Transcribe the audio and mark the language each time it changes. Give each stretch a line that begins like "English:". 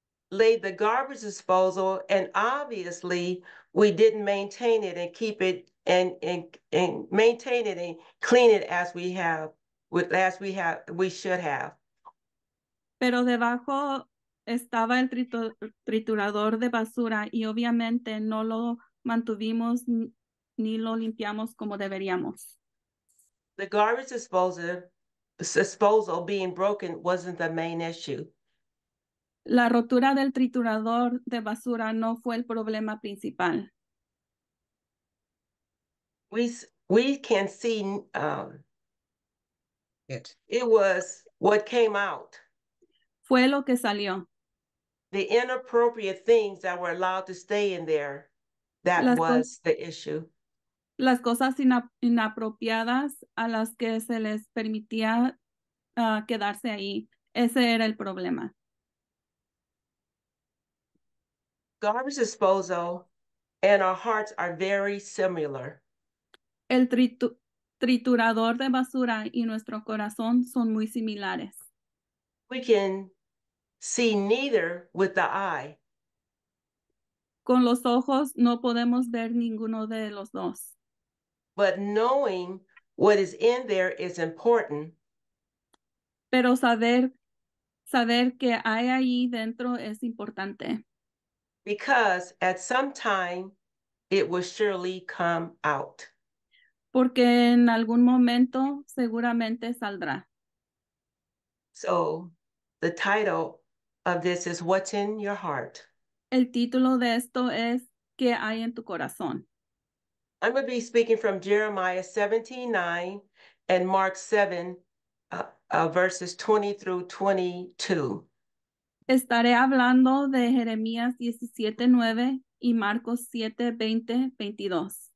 English: Laid the garbage disposal, and obviously we didn't maintain it and keep it and maintain it and clean it as we have. We should have.
Spanish: Pero debajo estaba el triturador de basura y obviamente no lo mantuvimos ni lo limpiamos como deberíamos.
English: The garbage disposal being broken wasn't the main issue.
Spanish: La rotura del triturador de basura no fue el problema principal.
English: We can see It was what came out.
Spanish: Fue lo que salió.
English: The inappropriate things that were allowed to stay in there, that was the issue.
Spanish: Las cosas inapropiadas a las que se les permitía quedarse ahí, ese era el problema.
English: Garbage disposal and our hearts are very similar.
Spanish: El triturador de basura y nuestro corazón son muy similares.
English: We can see neither with the eye.
Spanish: Con los ojos no podemos ver ninguno de los dos.
English: But knowing what is in there is important.
Spanish: Pero saber que hay ahí dentro es importante.
English: Because at some time it will surely come out.
Spanish: Porque en algún momento seguramente saldrá.
English: So the title of this is What's in Your Heart.
Spanish: El título de esto es ¿Qué hay en tu corazón?
English: I'm going to be speaking from Jeremiah 17:9 and Mark 7, verses 20 through 22.
Spanish: Estaré hablando de Jeremías 17:9 y Marcos 7:20-22.